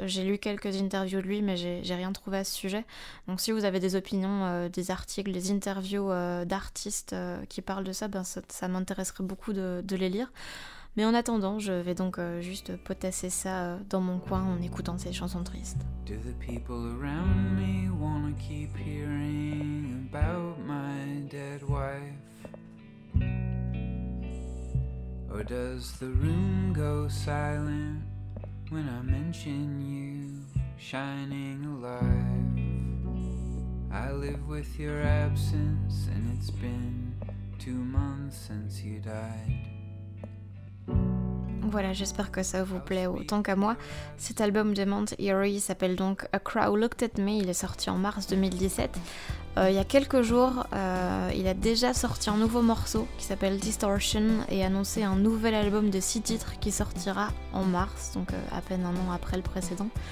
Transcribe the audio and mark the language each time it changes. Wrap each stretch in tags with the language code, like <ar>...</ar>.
<fr>J'ai lu quelques interviews de lui, mais j'ai rien trouvé à ce sujet. Donc si vous avez des opinions, des articles, des interviews d'artistes qui parlent de ça, ben ça m'intéresserait beaucoup de les lire. Mais en attendant, je vais donc juste potasser ça dans mon coin en écoutant ces chansons tristes.</fr> <en>Do the people around me wanna keep hearing about my dead wife? Or does the room go silent when I mention you shining alive? I live with your absence and it's been 2 months since you died.</en> <fr>Voilà, j'espère que ça vous plaît autant qu'à moi. Cet album de Mount Eerie s'appelle donc A Crow Looked at Me. Il est sorti en mars 2017. Il y a quelques jours, il a déjà sorti un nouveau morceau qui s'appelle Distortion et annoncé un nouvel album de 6 titres qui sortira en mars, donc à peine un an après le précédent.</fr>